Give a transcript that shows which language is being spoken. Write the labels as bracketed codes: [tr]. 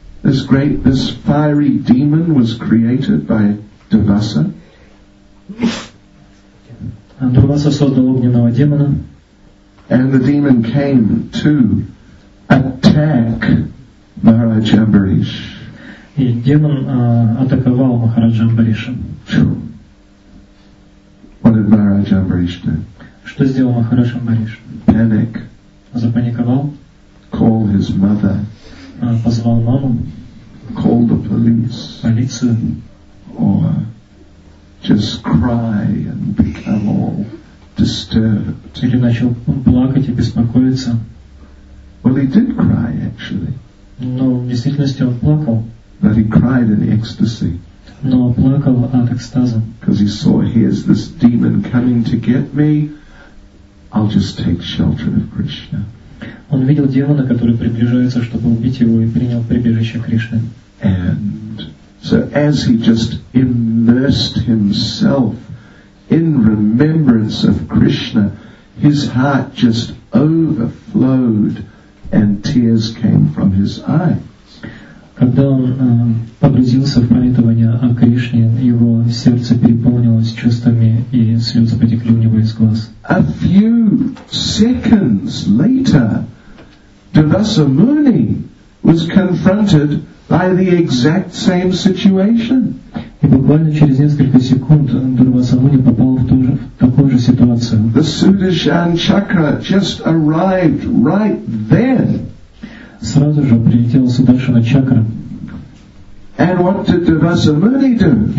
[en] This fiery demon was created by Durvasa. [ru] Дурваса создал огненного демона. [en] And the demon came to attack Maharaj Ambarish. [ru] И демон атаковал Махараджа Амбариша. [en] What did Maharaj Ambarish do? [ru] Что сделал Махарадж Амбариш? [en] Panic. [ru] Запаниковал. [en] Call his mother. [ru] Позвал маму. [en] Call the police. [ru] Полицию. [en] Or just cry and become all disturbed. [ru] Или начал плакать и беспокоиться. [en] Well, he did cry, actually. [ru] Но в действительности он плакал. [en] But he cried in ecstasy. [ru] Но плакал от экстаза. [en] Because he saw, here's this demon coming to get me. I'll just take shelter of Krishna. [ru] он видел демона, который приближается, чтобы убить его, и принял прибежище Кришны. [en] And so as he just immersed himself in remembrance of Krishna, his heart just overflowed and tears came from his eyes. [ru] Когда он погрузился в памятование о Кришне, его сердце переполнилось чувствами, и слезы потекли у него из глаз. [en] A few seconds later, Devasamuni was confronted by the exact same situation. [ru] И буквально через несколько секунд Дурвасамуни попал в такую же ситуацию. [en] The Sudarshan Chakra just arrived right then. [ru] Сразу же прилетела Сударшина Чакра. [en] And what did Devasamuni do?